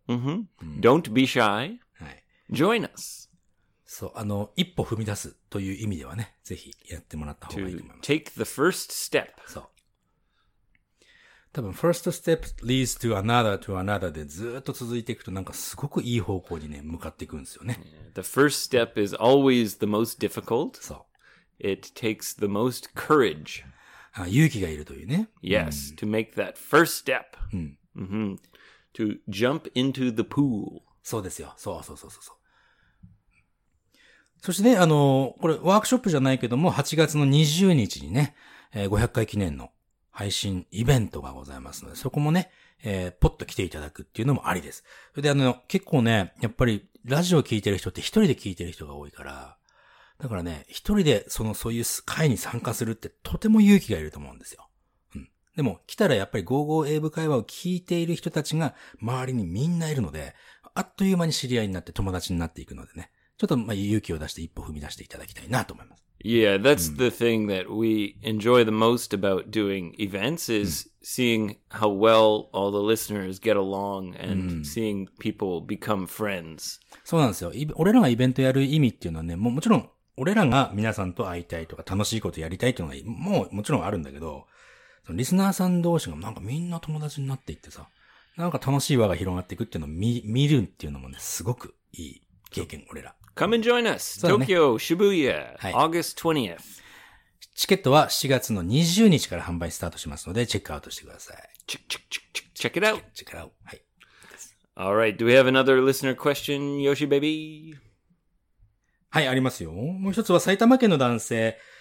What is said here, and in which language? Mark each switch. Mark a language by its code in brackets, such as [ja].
[en] Don't be shy.、Join us. [ja] そう、あの、一歩踏み出すという意味ではね、ぜひやってもらった方がいいと思います。 [en] Take the first step. [ja] そう。多分 [en] first step leads to another [ja] to another でずっと続いていくとなんかすごくいい方向にね向かっていくんですよね。 [en] The first step is always the most difficult. [ja] そう。 [en] It takes the most courage. [ja] 勇気がいるというね。 [en] Yes, to make that first step. To jump into the pool. [ja] そうですよ。そうそうそうそうそう。そしてね、これワークショップじゃないけども8月の20日にね、500回記念の配信イベントがございますので、そこもね、ポッと来ていただくっていうのもありです。それで結構ね、やっぱりラジオを聞いてる人って一人で聞いてる人が多いから、だからね、一人でそういう会に参加するってとても勇気がいると思うんですよ。でも来たらやっぱりゴーゴー英語会話を聞いている人たちが周りにみんないるので、あっという間に知り合いになって友達になっていくのでね、ちょっとまあ勇気を出して一歩踏み出していただきたいなと思います。 [en] Yeah, that's the thing that we enjoy the most about doing events is seeing how well all the listeners get along and seeing people become friends. [ja] そうなんですよ。俺らがイベントやる意味っていうのはね、もちろん、俺らが皆さんと会いたいとか楽しいことやりたいっていうのはもちろんあるんだけど、そのリスナーさん同士がなんかみんな友達になっていってさ、なんか楽しい輪が広がっていくっていうのを 見るっていうのもね、すごくいい経験、俺ら。 [en] Come and join us!、ね、Tokyo, Shibuya,、はい、August 20th. [ja] チケットは4月の20日から販売スタートしますので、チェックアウトしてください。 [en] Check it out! Check it out! はい。 Alright, do we have another listener question, Yoshi baby? [ja] はい、ありますよ。もう一つは埼玉県の男性。